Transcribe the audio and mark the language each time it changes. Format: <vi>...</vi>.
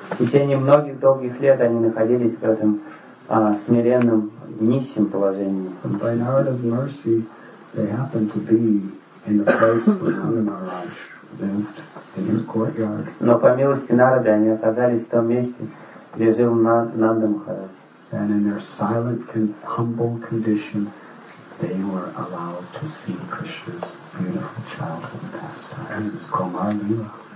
<ru>В течение многих долгих лет они находились в этом смиренном, нищем положении.</ru> <en>And by Narada's mercy, they happened to be in a place where Narada Maharaj lived, in his courtyard.</en> <ru>Но по милости Нарады они оказались в том месте, где жил Нанда Махарадж.</ru> <en>And in their silent, humble condition, they were allowed to see Krishna's beautiful childhood pastimes, his Komar-lila.</en>